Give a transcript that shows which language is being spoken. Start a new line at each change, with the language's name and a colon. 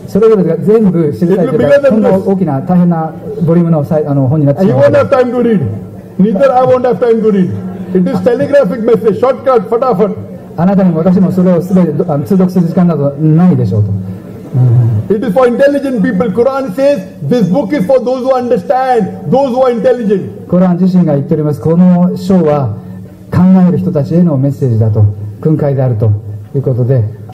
Japanese: それぞれが全部知りたいと、この大きな大変なボリュームのあの本になってしまうので。
English: I won't have time to read. It is telegraphic message. Shortcut, fatafat.
Japanese: あなたにも私もそれをすべて通読する時間などないでしょうと。
English: It is for intelligent people. Quran says this book is for those who understand, those who are intelligent.
Japanese: コラン自身が言っております。この章は考える人たちへのメッセージだと、訓戒であるということで。